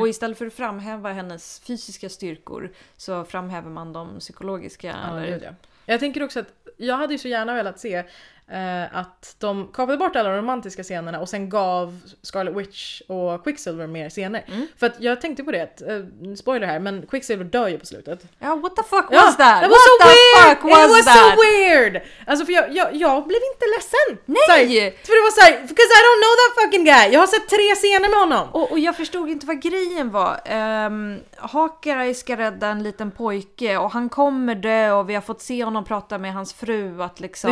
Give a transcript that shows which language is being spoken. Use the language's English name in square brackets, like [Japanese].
[Swedish] Och istället för att framhäva hennes fysiska styrkor så framhäver man de psykologiska. Ja, eller, det är det. Jag tänker också att jag hade ju så gärna velat se att de kapade bort alla de romantiska scenerna och sen gav Scarlet Witch och Quicksilver mer scener. Mm. För att jag tänkte på det, att, spoiler här, men Quicksilver dör ju på slutet. [English] Ja, yeah, what the fuck was that? That was what so weird! Fuck was it was that? So weird! [Swedish] Alltså för jag blev inte ledsen. Nej! För det var såhär, [English] because I don't know that fucking guy. [Swedish] Jag har sett tre scener med honom. Och jag förstod inte vad grejen var. Hawkeye ska rädda en liten pojke och han kommer dö och vi har fått se honom prata med hans fru att liksom...